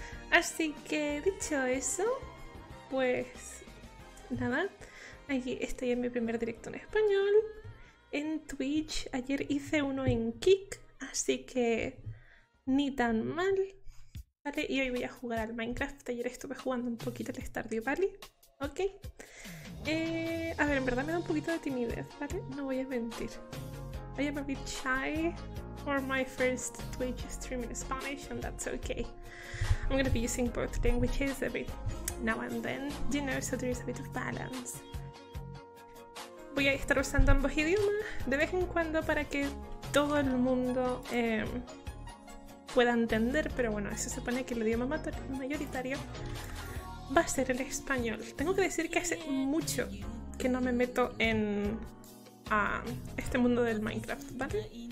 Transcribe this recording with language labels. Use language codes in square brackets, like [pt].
[es] Así que dicho eso, pues nada, aquí estoy en mi primer directo en español, en Twitch. Ayer hice uno en Kik, así que ni tan mal, ¿vale? Y hoy voy a jugar al Minecraft. Ayer estuve jugando un poquito al Stardew Valley, ¿ok? A ver, en verdad me da un poquito de timidez, ¿vale? No voy a mentir. [en] I am a bit shy for my first Twitch stream in Spanish, and that's okay. I'm gonna be using both languages a bit now and then, you know, so there is a bit of balance. [es] Voy a estar usando ambos idiomas de vez en cuando para que todo el mundo pueda entender, pero bueno, se supone que el idioma mayoritario va a ser el español. Tengo que decir que hace mucho que no me meto en este mundo del Minecraft, ¿vale?